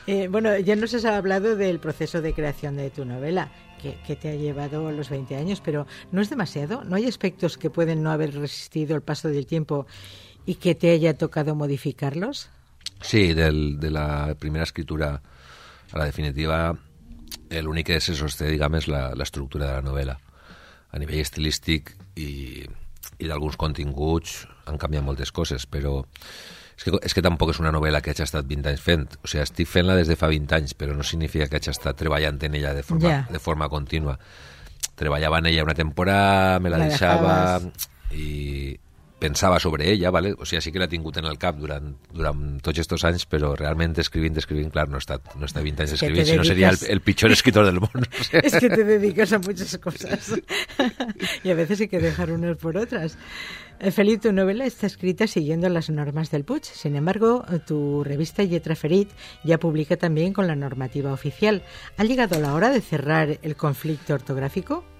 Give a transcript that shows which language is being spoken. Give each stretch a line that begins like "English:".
Spanish: Bueno, ya nos has hablado del proceso de creación de tu novela, que te ha llevado los 20 años, pero ¿no es demasiado? ¿No hay aspectos que pueden no haber resistido el paso del tiempo y que te haya tocado modificarlos? Sí, de la primera escritura a la definitiva,
Catalan: el únic que se sosté, diguem, és l'estructura de la novel·la. A nivell estilístic i d'alguns continguts han canviat moltes coses, però és que tampoc és una novel·la que hagi estat 20 anys fent. O sigui, estic fent-la des de fa 20 anys, però no significa que hagi estat treballant en ella de forma contínua. Treballava en ella una temporada, me la deixava... I, pensava sobre ella, ¿vale? O sigui, sí que l'ha tingut en el cap durant tots aquests anys, però realment escrivint, clar, no està 20 anys escrivint, si no seria el pitjor escritor del món.
Spanish: Es que te dediques a muchas cosas. Y a veces hay que dejar unas por otras. Felip,
Catalan: tu novel·la està escrita
Spanish: siguiendo las normas del Puig. Sin embargo, tu revista Lletra Ferit ja publica también con la normativa oficial. ¿Ha llegado la hora de cerrar el conflicto ortográfico?